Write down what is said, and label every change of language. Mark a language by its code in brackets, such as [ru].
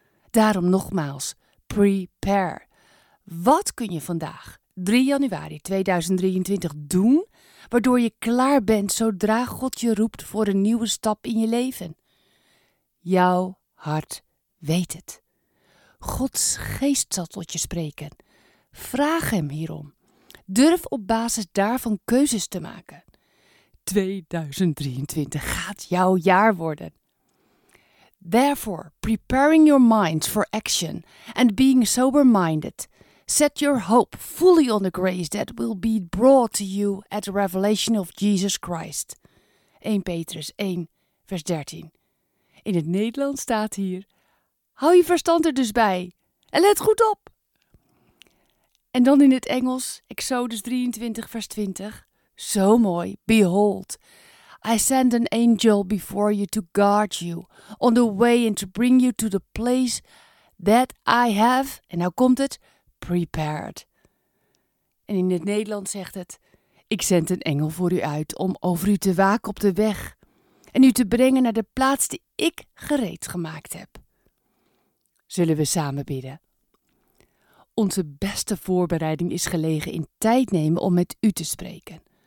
[nl] Daarom nogmaals, prepare. Wat kun je vandaag, 3 januari 2023, doen, waardoor je klaar bent zodra God je roept voor een nieuwe stap in je leven? Jouw hart weet het. Gods geest zal tot je spreken. Vraag hem hierom. Durf op basis daarvan keuzes te maken. 2023 gaat jouw jaar worden. [en] Therefore, preparing your minds for action and being sober-minded, set your hope fully on the grace that will be brought to you at the revelation of Jesus Christ. [nl] 1 Petrus 1, vers 13. In het Nederlands staat hier: hou je verstand er dus bij en let goed op. En dan in het Engels, Exodus 23, vers 20. Zo mooi. [en] Behold, I send an angel before you to guard you on the way and to bring you to the place that I have, [nl] en nou komt het, [en] prepared. [nl] En in het Nederlands zegt het: ik zend een engel voor u uit om over u te waken op de weg en u te brengen naar de plaats die ik gereed gemaakt heb. Zullen we samen bidden? Onze beste voorbereiding is gelegen in tijd nemen om met u te spreken.